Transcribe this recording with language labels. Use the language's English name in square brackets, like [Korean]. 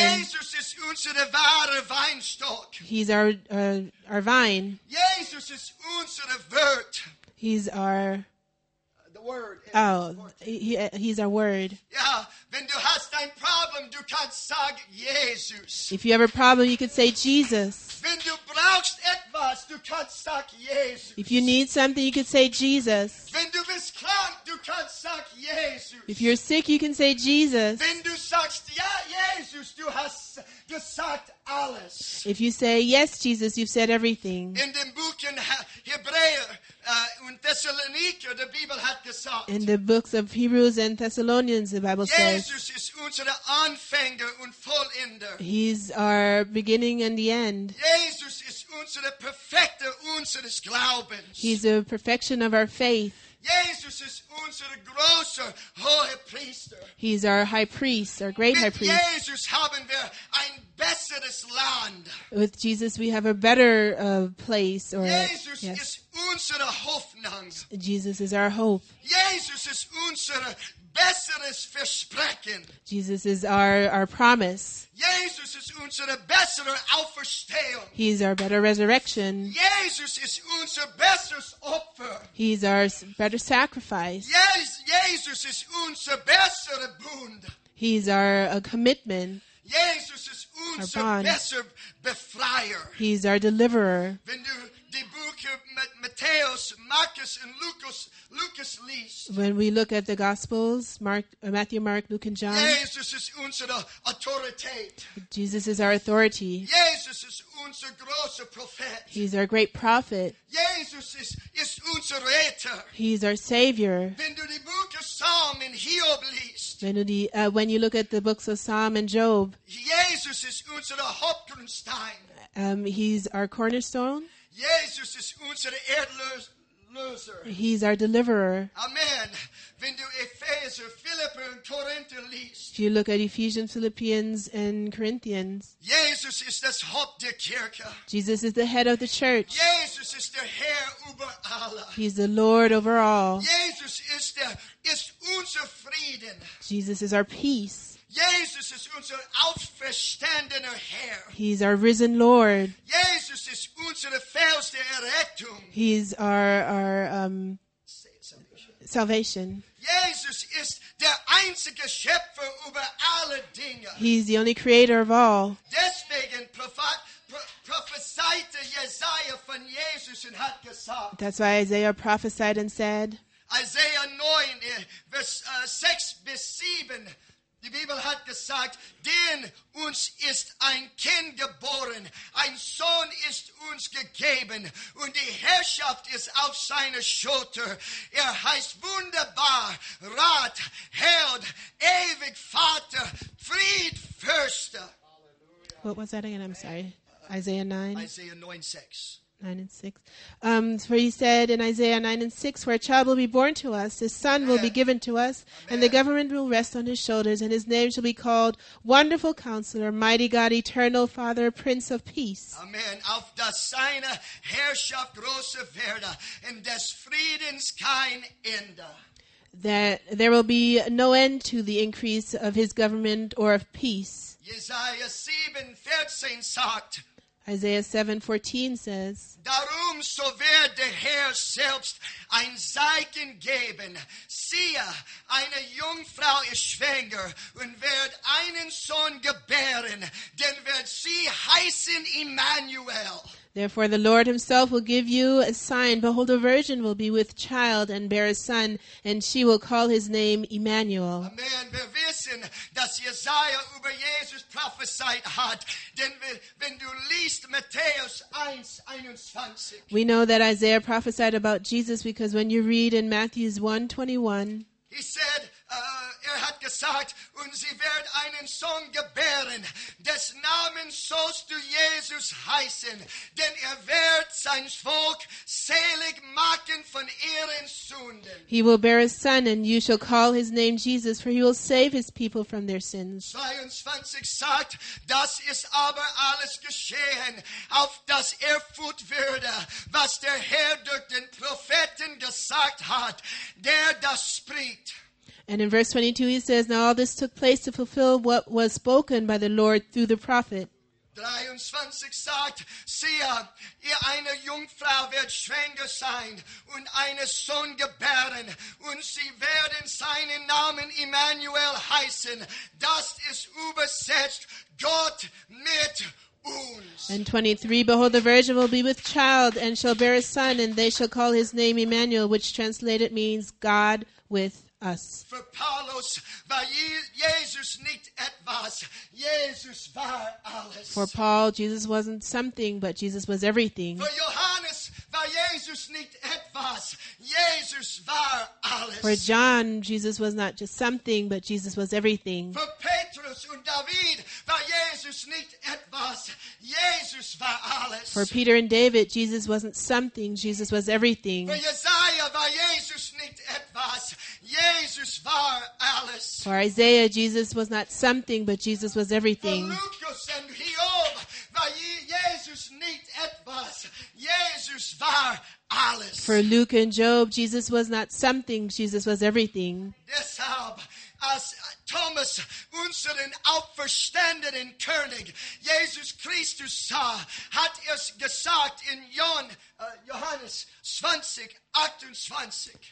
[German] Jesus ist unser wahre Weinstock. [English] He's our vine. [German] Jesus ist unser Wort. [English] He's our the word. Oh, he's our word. [German] Yeah, wenn du hast ein Problem, du kannst sagen Jesus. [English] If you have a problem, you can say Jesus. [German] Wenn du brauchst etwas, du kannst sagen Jesus. [English] If you need something, you can say Jesus. [German] Wenn du bist krank, du kannst sagen Jesus. [English] If you're sick, you can say Jesus. [German] Wenn du sagst ja Jesus, du hast gesagt alles. [English] If you say yes Jesus, you've said everything. [German] In dem Buch in Hebräer und Thessalonica, [English] the Bible [German] hat gesagt. [English] In the books of Hebrews and Thessalonians, the Bible Jesus says. [German] Jesus ist unser Anfänger und Vollender. [English] He's our beginning and the end. [German] Jesus ist unser Perfekter unseres Glaubens. [English] He's the perfection of our faith. [German] Jesus ist unser großer hoher Priester. [English] He's our high priest, our great [German] mit [English] high priest. [German] Jesus haben wir ein besseres Land. [English] With Jesus we have a better place. Or, [German] Jesus [English] yes. [German] ist unser Hoffnung. [English] Jesus is our hope. [German] Jesus ist unser besseres Versprechen. [English] Jesus is our promise. [German] Jesus ist unser besser Auferstehung. [English] He's our better resurrection. [German] Jesus ist unser besseres Opfer. [English] He's our better sacrifice. [German] Yes, Jesus ist unser besser Bund. [English] He's our a commitment. [German] Jesus ist unser besser Befreier. [English] He's our deliverer. [German] Wenn du [English] the book of [German] Matthäus, Marcus, and Lucas liest, [English] when we look at the Gospels, Matthew, Mark, Luke, and John, [German] Jesus is unsere Autorität. [English] Jesus is our authority. [German] Jesus is unser großer Prophet. [English] He's our great prophet. [German] Jesus is unser Retter. [English] He's our Savior. [German] Wenn du die book of Psalm in Hiob liest, [English] when you look at the books of Psalm and Job, [German] Jesus is unser Hauptgrundstein. [English] He's our cornerstone. [German] Jesus is unser Erlöser. [English] He's our deliverer. [German] Amen. Wenn du Epheser, Philippi und Korinther liest, [English] if you look at Ephesians, Philippians, and Corinthians, [German] Jesus ist das Haupt der Kirche. [English] Jesus is the head of the church. [German] Jesus ist der Herr über alle. [English] He's the Lord over all. [German] Jesus ist unser Frieden. [English] Jesus is our peace. [German] Jesus is unser auferstandener Herr. [English] He's our risen Lord. [German] Jesus is unser feste Errettung. [English] He's our salvation. [German] Jesus ist der einzige Schöpfer über alle Dinge. [English] He's the only creator of all. [German] Deswegen prophesied Jesaja von Jesus und hat gesagt. [English] That's why Isaiah prophesied and said. Isaiah 9, verse 6 bis 7. [German] Die Bibel hat gesagt, denn uns ist ein Kind geboren, ein Sohn ist uns gegeben und die Herrschaft ist auf seiner Schulter. Er heißt wunderbar, Rat, Held, ewig Vater, Fried, Fürste. [English] What was that again? I'm sorry. Isaiah 9? Isaiah 9, 6. 9 and 6. For he said in Isaiah 9 and 6, for a child will be born to us, his son will be given to us, Amen. And the government will rest on his shoulders, and his name shall be called Wonderful Counselor, Mighty God, Eternal Father, Prince of Peace. Amen. [German] Auf das seine Herrschaft große werde, und des Friedens kein Ende. [English] That there will be no end to the increase of his government or of peace. [German] Isaiah 7, 14 sagt, [English] Isaiah 7:14 says, [German] Darum so wird der Herr selbst ein Zeichen geben. Siehe, eine Jungfrau ist schwanger und wird einen Sohn gebären, den wird sie heißen Immanuel. [English] Therefore the Lord himself will give you a sign. Behold, a virgin will be with child and bear a son, and she will call his name Emmanuel. Amen. [German] Wir wissen, dass Jesaja über Jesus prophesied hat, denn wenn du liest Matthäus 1, 21. [English] We know that Isaiah prophesied about Jesus because when you read in Matthew 1:21, he said, [German] hat gesagt, und sie wird einen Sohn gebären, des Namen sollst du Jesus heißen, denn wird sein Volk selig machen von ihren Sünden. [English] He will bear a son, and you shall call his name Jesus, for he will save his people from their sins. [German] 22 sagt, das ist aber alles geschehen, auf das erfüllt werde, was der Herr durch den Propheten gesagt hat, der das spricht. [English] And in verse 22 he says, now all this took place to fulfill what was spoken by the Lord through the prophet. [German] 23 sagt, siehe, ihr eine Jungfrau wird schwanger sein und einen Sohn gebären und sie werden seinen Namen Immanuel heißen. Das ist übersetzt Gott mit uns. [English] And 23, behold, the virgin will be with child and shall bear a son and they shall call his name Immanuel, which translated means God with us. [German] For Paulus war Jesus nicht etwas. Jesus war alles. [English] For Paul, Jesus wasn't something, but Jesus was everything. [German] For Johannes war Jesus nicht etwas. Jesus war alles. [English] For John, Jesus was not just something, but Jesus was everything. [German] For Petrus und David war Jesus nicht etwas. Jesus war alles. [English] For Peter and David, Jesus wasn't something. Jesus was everything. [German] For Jesaja war Jesus nicht etwas. Jesus war alles. [English] For Isaiah, Jesus was not something, but Jesus was everything. [German] For Lucas and Hiob, war Jesus nicht etwas. Jesus war alles. [English] For Luke and Job, Jesus was not something, Jesus was everything. [German] Deshalb, als Thomas, unseren auferstandenen König, Jesus Christus sah, hat gesagt in Johannes 20, 28.